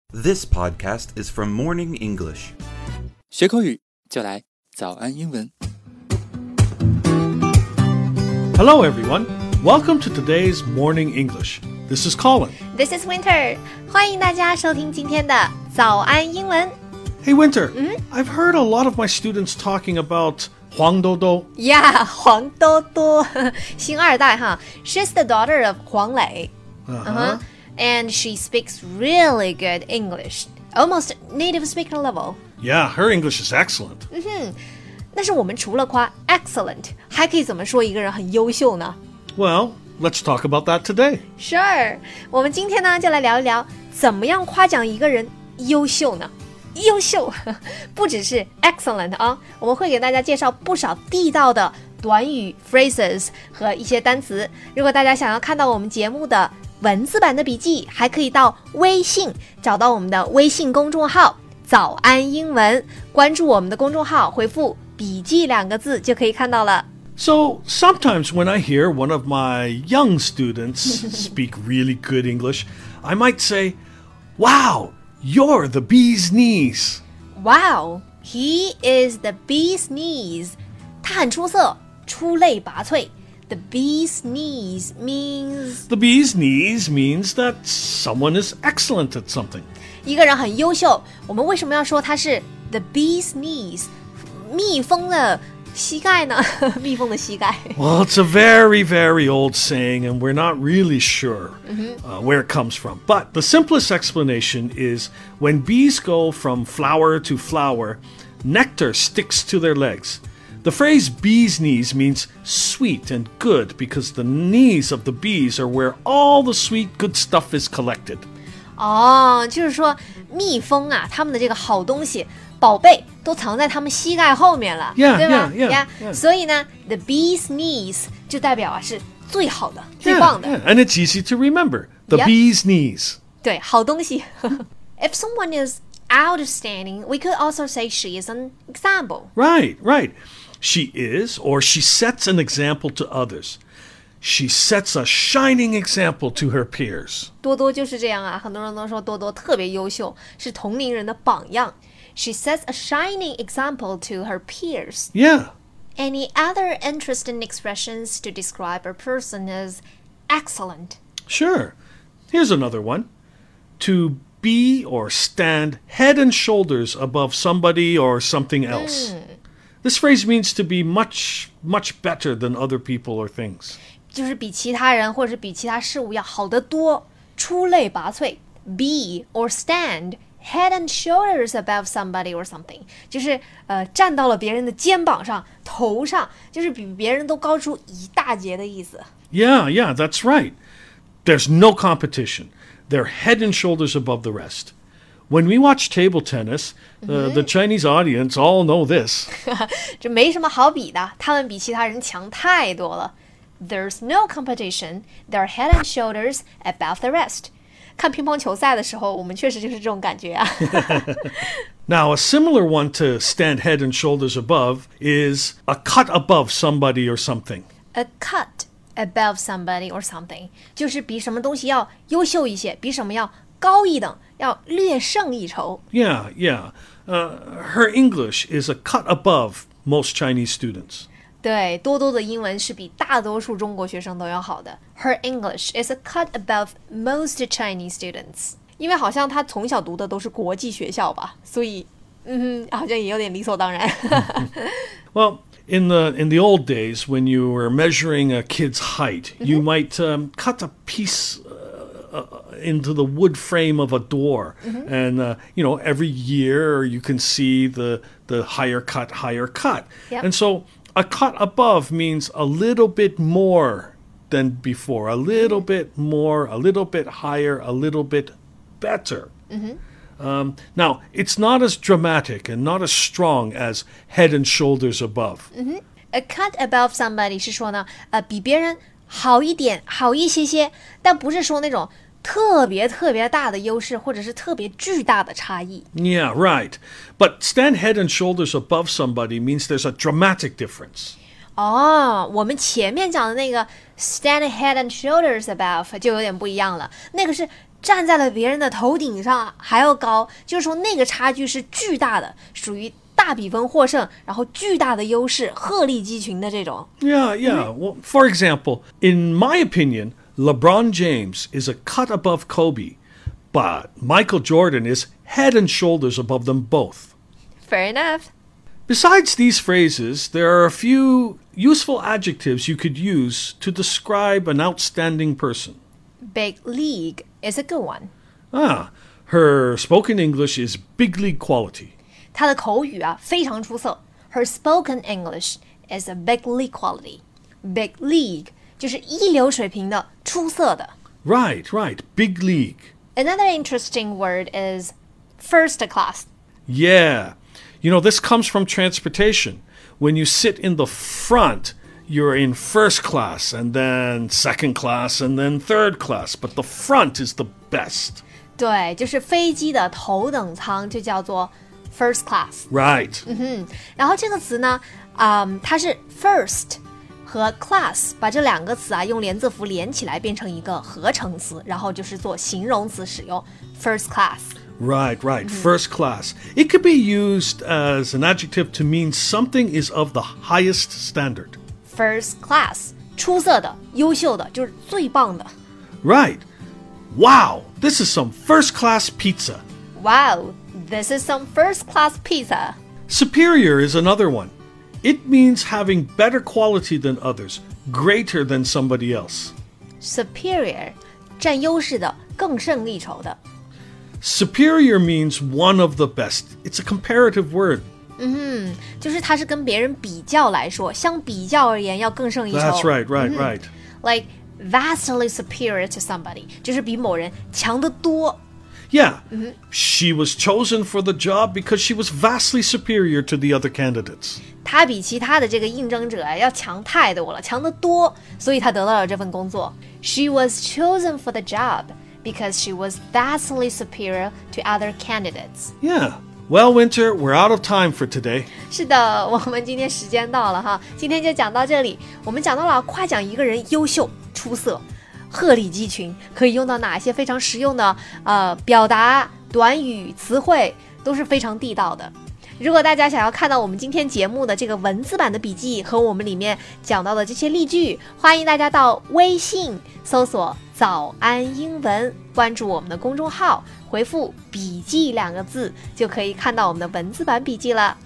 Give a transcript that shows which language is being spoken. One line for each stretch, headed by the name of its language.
English: This podcast is from Morning English.
Chinese: 学口语就来早安英文。
English: Hello, everyone. Welcome to today's Morning English. This is Colin. This is Winter.
Chinese: 欢迎大家收听今天的早安英文。
English: Hey, Winter.、Mm-hmm? I've heard a lot of my students talking about...
Chinese: 黄多多
English: Yeah, 黄多多星二代、huh? She's the daughter of 黄磊、And she speaks really good English Almost native speaker level Yeah, her English is excellent、 mm-hmm.
Chinese: 那是我们除了夸 excellent 还可以怎么说一个人很优秀呢
English: Well, let's talk about that today
Chinese: Sure, 我们今天呢就来聊一聊怎么样夸奖一个人优秀呢优秀不只是 excellent 啊，我们会给大家介绍不少地道的短语 phrases 和一些单词如果大家想要看到我们节目的文字版的笔记还可以到微信找到我们的微信公众号早安英文关注我们的公众号回复笔记两个字就可以看到了
English: So sometimes when I hear one of my young students speak really good English I might say WowYou're the bee's knees. Wow, he is the bee's knees.
Chinese: 他很出色,出类拔萃。
English: The bee's knees means... The bee's knees means that someone is excellent at something.
Chinese: 一个人很优秀,我们为什么要说他是 the bee's knees? 蜜蜂的膝盖呢?蜜蜂的膝盖。
English: Well, it's a very, very old saying, and we're not really sure. Mm-hmm. Where it comes from. But the simplest explanation is when bees go from flower to flower, nectar sticks to their legs. The phrase bee's knees means sweet and good because the knees of the bees are where all the sweet good stuff is collected.
Chinese: Oh, 就是说蜜蜂啊他们的这个好东西宝贝都藏在他们膝盖后面了
English: yeah,
Chinese: 对吧
English: yeah, yeah, yeah.
Chinese: 所以呢 the bee's knees 就代表啊是最好的
English: yeah,
Chinese: 最棒的
English: yeah, And it's easy to remember The、yep. bee's knees
Chinese: 对好东西
English: If someone is outstanding We could also say she is an example Right, right She is or she sets an example to others She sets a shining example to her peers
Chinese: 多多就是这样啊很多人都说多多特别优秀是同龄人的榜样
English: She sets a shining example to her peers Yeah Any other interesting expressions to describe a person as excellent? Sure. Here's another one. To be or stand head and shoulders above somebody or something else.、Mm. This phrase means to be much, much better than other people or things.
Chinese: 就是比其他人或者是比其他事物要好得多,出类拔萃。
English: Be or stand... Head and shoulders above somebody or something
Chinese: 就是、站到了别人的肩膀上头上就是比别人都高出一大截的意思
English: Yeah, yeah, that's right There's no competition They're head and shoulders above the rest When we watch table tennis、The Chinese audience all know this
Chinese: 这没什么好比的他们比其他人强太多了
English: There's no competition They're head and shoulders above the rest
Chinese: 看乒乓球赛的时候我们确实就是这种感觉啊。
English: Now, a similar one to stand head and shoulders above is a cut above somebody or something. A cut above somebody or something.
Chinese: 就是比什么东西要优秀一些比什么要高一等要略胜一筹。
English: Yeah, yeah.、her English is a cut above most Chinese students.
Chinese: 对,多多的英文是比大多数中国学生都要好的。
English: Her English is a cut above most Chinese students.
Chinese: 因为好像她从小读的都是国际学校吧,所以,好像也有点理所当然。
English: Well, in the old days, when you were measuring a kid's height, you might cut a piece into the wood frame of a door. And, you know, every year you can see the higher cut, higher cut. And so... A cut above means a little bit more than before, a little bit more, a little bit higher, a little bit better. Now, it's not as dramatic and not as strong as head and shoulders above. A cut above somebody
Chinese: 是说呢、比别人好一点，好一些些，但不是说那种特别特别大的优势或者是特别巨大的差异
English: Yeah, right But stand head and shoulders above somebody means there's a dramatic difference
Chinese: 哦、我们前面讲的那个 stand head and shoulders above 就有点不一样了那个是站在了别人的头顶上还要高，就是说那个差距是巨大的，属于大比分获胜，然后巨大的优势，鹤立鸡群的这种。
English: Yeah, yeah. Well, for example, in my opinion, LeBron James is a cut above Kobe, but Michael Jordan is head and shoulders above them both. Fair enough. Besides these phrases, there are a few useful adjectives you could use to describe an outstanding person. Big league is a good one. Ah, her spoken English is big league quality.
Chinese: 她的口语啊非常出色。
English: Her spoken English is a big league quality.
Chinese: Big league 就是一流水平的，出色的。
English: Right, right, big league. Another interesting word is first class. Yeah, you know, this comes from transportation. When you sit in the front... You're in first class, and then second class, and then third class. But the front is the best.
Chinese: 对，就是飞机的头等舱就叫做 first class.
English: Right.
Chinese: 嗯哼，然后这个词呢，它是 first 和 class， 把这两个词啊用连字符连起来变成一个合成词，然后就是做形容词使用 first class.
English: Right, right,、mm-hmm. first class. It could be used as an adjective to mean something is of the highest standard.
Chinese: First class, 出色的,优秀的,就是最棒的。
English: Right. Wow, this is some first class pizza. Wow, this is some first class pizza. Superior is another one. It means having better quality than others, greater than somebody else.
Chinese: Superior, 占优势的,更胜一筹的。
English: Superior means one of the best. It's a comparative word.
Chinese: 嗯，就是它是跟别人比较来说，相比较而言要更胜一筹。
English: That's right, right, right. Like vastly superior to somebody,
Chinese: 就是比某人强得多。
English: Yeah, she was chosen for the job because she was vastly superior to the other candidates.
Chinese: 她比其他的这个应征者要强太多了，强得多，所以她得到了这份工作。
English: She was chosen for the job because she was vastly superior to other candidates. Yeah. Well, Winter, we're out of time for today.
Chinese: 是的，我们今天时间到了哈，今天就讲到这里。我们讲到了夸奖一个人优秀、出色、鹤立鸡群，可以用到哪些非常实用的表达、短语、词汇，都是非常地道的。如果大家想要看到我们今天节目的这个文字版的笔记和我们里面讲到的这些例句，欢迎大家到微信搜索“早安英文”，关注我们的公众号，回复“笔记”两个字，就可以看到我们的文字版笔记了。